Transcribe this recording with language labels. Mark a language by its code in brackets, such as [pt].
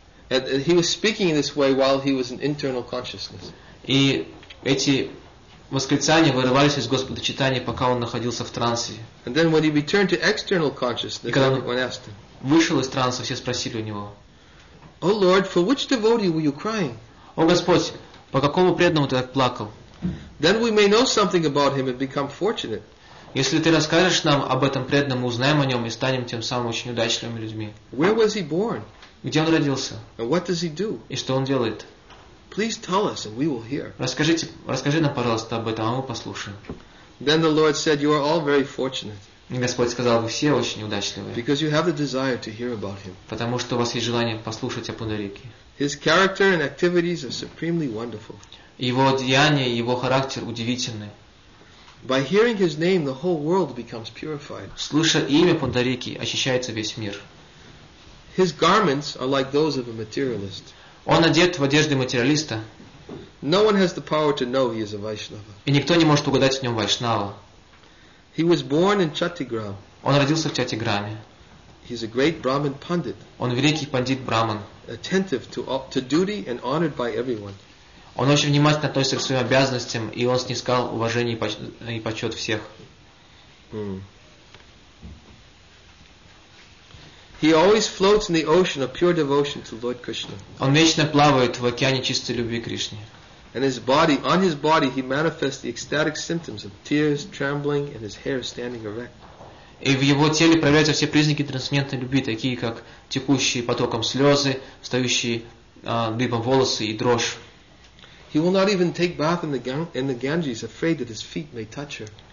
[en] He was speaking in this way while he was in internal consciousness. [ru] И эти восклицания вырывались из Господа Чайтаньи, пока он находился в трансе. [en] And then when he returned to external consciousness, everyone asked him. [ru] Вышел из транса, все спросили у него. [en] "O Lord, for which devotee were you crying?" [ru] О Господь, по какому преданному ты так плакал? [en] Then we may know something about him and become fortunate. [ru] Если ты расскажешь нам об этом преданном, мы узнаем о нем и станем тем самым очень удачливыми людьми. [en] Where was he born? [ru] Где он родился? [en] And what does he do? [ru] И что он делает? [en] Please tell us and we will hear. [ru] Расскажи нам, пожалуйста, об этом, а мы послушаем. [en] Then the Lord said, "You are all very fortunate." [ru] И Господь сказал, вы все очень удачливые. [en] Because you have the desire to hear about him. [ru] Потому что у вас есть желание послушать о Пундарике. [en] His character and activities are supremely wonderful. [ru] Его деяния, его характер удивительны. [en] By hearing his name, the whole world becomes purified. [ru] Слыша имя Пундарики, очищается весь мир. [en] His garments are like those of a materialist. [ru] Он одет в одежды материалиста. [en] No one has the power to know he is a Vaishnava. [ru] И никто не может угадать в нем Вайшнава. [en] He was born in Chatigram. [ru] Он родился в Чатиграме. [en] He's a great Brahmin pundit. [ru] Он великий пандит Брахман. [en] Attentive to duty and honored by everyone. [ru] Он очень внимательно относится к своим обязанностям, и он снискал уважение и почет всех. [en] He always floats in the ocean of pure devotion to Lord Krishna. [ru] Он вечно плавает в океане чистой любви к Кришне. [en] And on his body, he manifests the ecstatic symptoms of tears, trembling, and his hair standing erect. [ru] И в его теле проявляются все признаки трансцендентной любви, такие как текущие потоком слезы, встающие дыбом волосы и дрожь. [en] He will not even take bath in the Ganges, afraid that his feet may touch her.